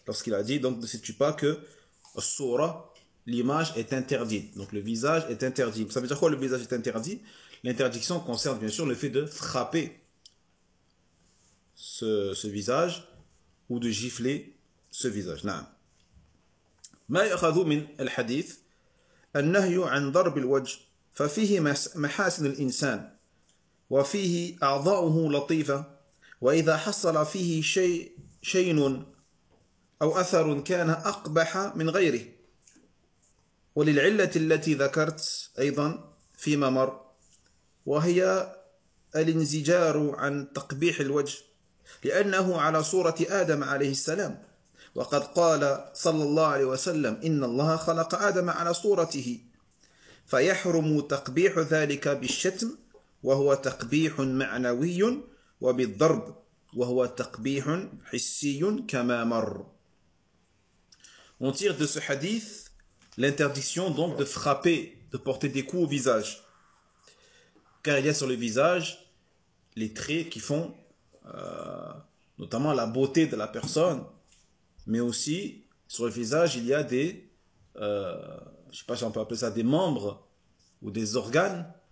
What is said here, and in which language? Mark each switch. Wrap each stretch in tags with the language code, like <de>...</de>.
<fr>Lorsqu'il a dit, donc ne sais-tu pas que sura, l'image est interdite. Donc le visage est interdit. Ça veut dire quoi le visage est interdit? L'interdiction concerne bien sûr le fait de frapper ce visage ou de gifler ce visage.</fr> <ar>Naam. Ma yakhadhu min al-hadith. النهي عن ضرب الوجه ففيه محاسن الإنسان وفيه أعضاؤه لطيفة وإذا حصل فيه شيء أو أثر كان أقبح من غيره وللعلة التي ذكرت أيضا فيما مر وهي الانزجار عن تقبيح الوجه لأنه على صورة آدم عليه السلام وقد قال صلى الله عليه وسلم إن الله خلق آدم على صورته فيحرم تقبيح ذلك بالشتم وهو تقبيح معنوي وبالضرب وهو تقبيح حسي كما مر.</ar> <fr>On tire de ce hadith l'interdiction donc de frapper, de porter des coups au visage. Car il y a sur le visage les traits qui font notamment la beauté de la personne. Mais aussi, sur le visage, il y a des, je sais pas si on peut appeler ça, des membres ou des organes.</fr>